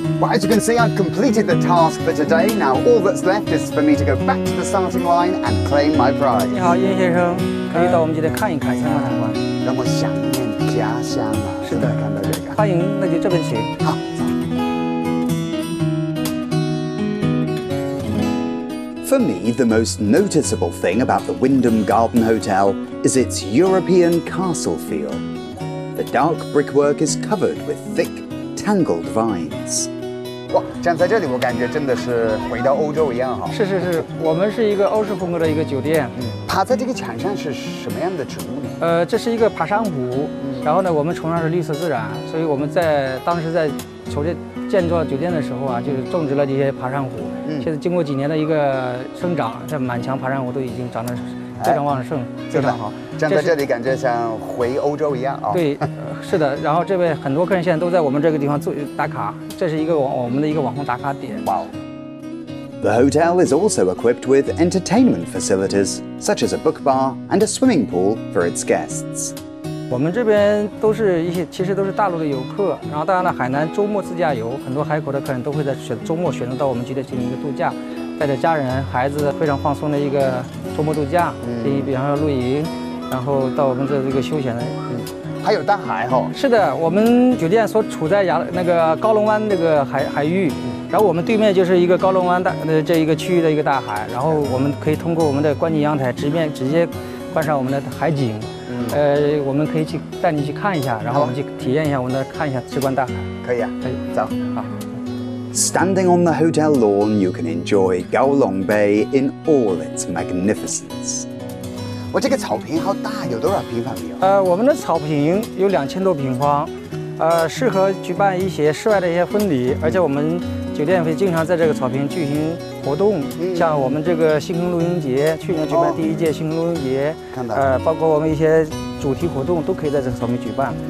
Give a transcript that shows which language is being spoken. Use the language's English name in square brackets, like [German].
[English] Well, as you can see, I've completed the task for today. Now, all that's left is for me to go back to the starting line and claim my prize. [Chinese] 你好，叶先生，可以到我们这里看一看，参观参观。让我想念家乡啊！是的，看到这个。欢迎，那就这边请。好，走。 [English] For me, the most noticeable thing about the Wyndham Garden Hotel is its European castle feel. The dark brickwork is covered with thick, tangled vines. [Chinese] 哇，站在这里我感觉真的是回到欧洲一样哈。是是是，我们是一个欧式风格的一个酒店。嗯，爬在这个墙上是什么样的植物呢？这是一个爬山虎。然后呢，我们崇尚是绿色自然，所以我们在当时在筹建建造酒店的时候啊，就是种植了这些爬山虎。嗯，现在经过几年的一个生长，这满墙爬山虎都已经长得非常旺盛，非常好。站在这里感觉像回欧洲一样啊。对，是的。然后这位很多客人现在都在我们这个地方做打卡，这是一个我们的一个网红打卡点。哇、wow. [English] The hotel is also equipped with entertainment facilities such as a book bar and a swimming pool for its guests. [Chinese] 我们这边都是一些其实都是大陆的游客，然后当然了，海南周末自驾游，很多海口的客人都会在周末选择到我们酒店进行一个度假，带着家人孩子非常放松的一个周末度假，进行比方说露营。然后到我们的这个休闲的，还有大海哈、哦。是的，我们酒店所处在那个高龙湾那个海域，然后我们对面就是一个高龙湾这一个区域的一个大海，然后我们可以通过我们的观景阳台直接观赏我们的海景，我们可以去带你去看一下，然后我们去体验一下我们的看一下直观大海。可以啊，可以，走，好。 [English] Standing on the hotel lawn, you can enjoy Gaolong Bay in all its magnificence. [Chinese] 我这个草坪好大，有多少平方米啊？我们的草坪有2000多平方，适合举办一些室外的一些婚礼，而且我们酒店会经常在这个草坪举行活动，像我们这个星空露营节，去年举办第一届星空露营节，包括我们一些主题活动都可以在这个草坪举办。